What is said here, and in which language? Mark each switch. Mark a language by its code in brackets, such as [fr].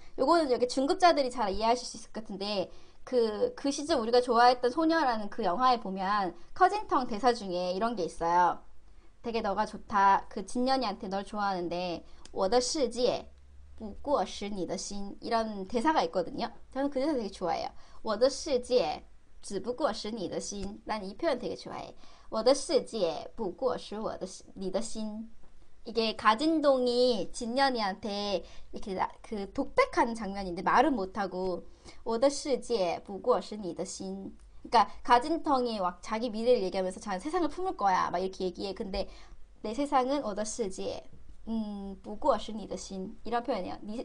[ko] 요거는 여기 중급자들이 잘 이해하실 수 있을 것 같은데, 그 시절 우리가 좋아했던 소녀라는 그 영화에 보면 커진텅 대사 중에 이런 게 있어요. 되게 너가 좋다. 그 진년이한테 널 좋아하는데, [zh] 我的世界 不过是你的心 [ko] 이런 대사가 있거든요. 저는 그 대사 되게 좋아해요. [zh] 我的世界 只不过是你的心. [ko] 난이 표현 되게 좋아해. [zh] 我的世界 不过是我的你的心. [ko] 이게 가진동이 진년이한테 이렇게 그 독백하는 장면인데 말은 못하고 [zh] 我的世界 不过是你的心. [ko] 그러니까 가진텅이 막 자기 미래를 얘기하면서 자는 세상을 품을 거야 막 이렇게 얘기해. 근데 내 세상은 [zh] 我的世界 不过是你的心 [ko] 이런 표현이에요.